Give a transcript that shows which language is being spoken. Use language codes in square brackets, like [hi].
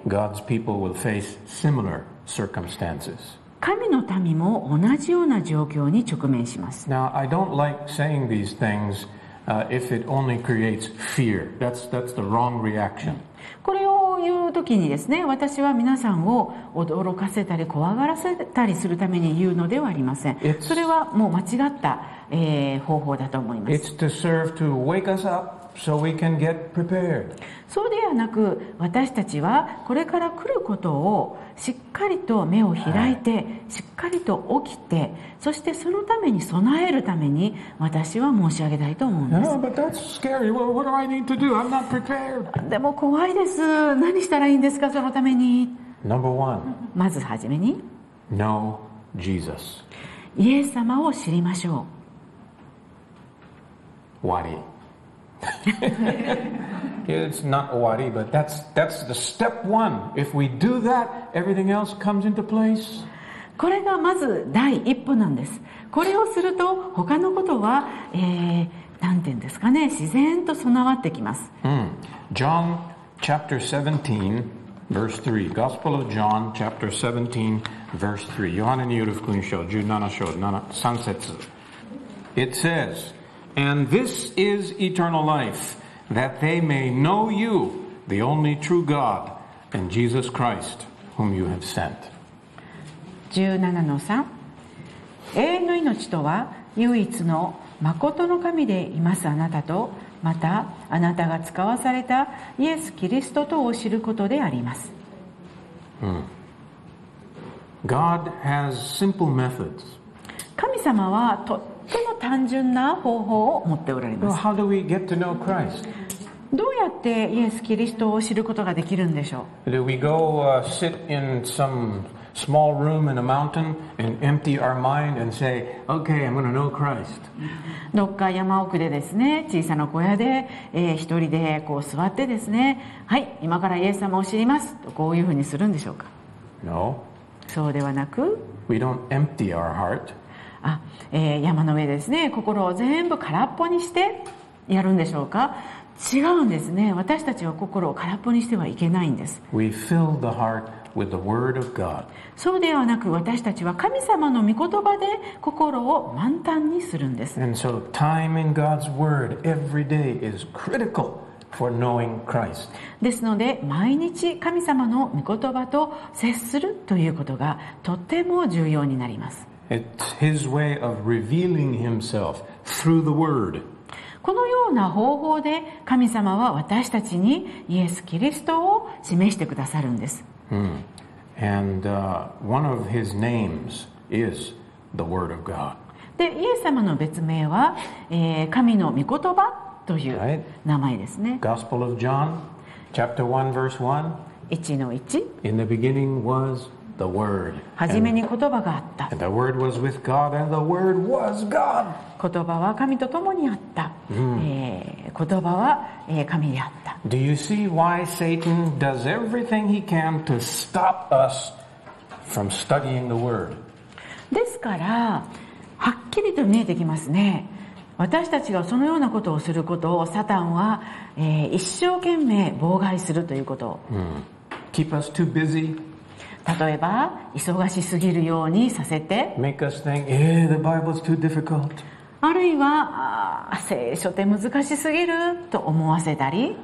[en] God's people will face similar circumstances. [ja] 神の民も同じような状況に直面します。 [en] Now I don't like saying these things. If it only creates fear, that's the wrong reaction. [ja] これを言うときにですね、私は皆さんを驚かせたり怖がらせたりするために言うのではありません。それはもう間違った、方法だと思います。 [en] It's to serve to wake us up so we can get prepared. [ja] そうではなく、私たちはこれから来ることをしっかりと目を開いて、right. しっかりと起きて、そしてそのために備えるために私は申し上げたいと思うんです。 [en] No, but that's scary. Well, what do I need to do? I'm not prepared. [ja] でも怖いです。何したらいいんですか、そのために。 [en] Number one. [ja] まずはじめに [en] Know Jesus. [ja] イエス様を知りましょう。 [en] Wari. It's not wari, but that's the step one. If we do that, everything else comes into place. [ja] これがまず第一歩なんです。これをすると他のことは、なんていうんですかね、自然と備わってきます。 [en] John chapter 17, verse 3. Gospel of John chapter 17, verse 3. [ja] ヨハネによる福音書17章3節。 [en] It says,And this is eternal life, that they may know you, the only true God, and Jesus Christ, whom you have sent. [ja] 17-3 永遠の命とは、唯一の真の神でいますあなたと、またあなたが使わされたイエス・キリストとを知ることであります。 [en] God has simple methods. [ja] 神様はとても単純な方法を持っておられます。 [en] How do we get to know Christ? [ja] どうやってイエス・キリストを知ることができるんでしょう。 [en] Do we go sit in some small room in a mountain and empty our mind and say, Okay, I'm going to know Christ. [ja] どっか山奥でですね、小さな小屋で、一人でこう座ってですね、はい、今からイエス様を知りますと、こういうふうにするんでしょうか。 [en] No. [ja] そうではなく、 [en] We don't empty our heart. [ja] 山の上ですね、心を全部空っぽにしてやるんでしょうか。違うんですね。私たちは心を空っぽにしてはいけないんです。 [en] We fill the heart with the word of God. [ja] そうではなく、私たちは神様の御言葉で心を満タンにするんです。 [en] And so time in God's word every day is critical for knowing Christ. [ja] ですので、毎日神様の御言葉と接するということがとても重要になります。 [en] It's his way of revealing himself through the word. [ja] このような方法で神様は私たちにイエス・キリストを示してくださるんです。 [en] And one of his names is the word of God. [ja] で、イエス様の別名は、神の御言葉という名前ですね。 [en] Right? Gospel of John, chapter 1, verse 1. [ja] 1-1. [en] In the beginning was... The word. [ja] 初めに言葉があった。 [en] And the word was with God, and the word was God. [ja] 言葉は神と共にあった。言葉は神であった。 [en] Do you see why Satan does everything he can to stop us from studying the word? [ja] ですから、はっきりと見えてきますね。私たちがそのようなことをすることをサタンは、一生懸命妨害するということを。 [en] Keep us too busy. [ja] 例えば忙しすぎるようにさせて、 [en] Make us think, the Bible's too difficult. [ja] あるいは聖書って難しすぎると思わせたり、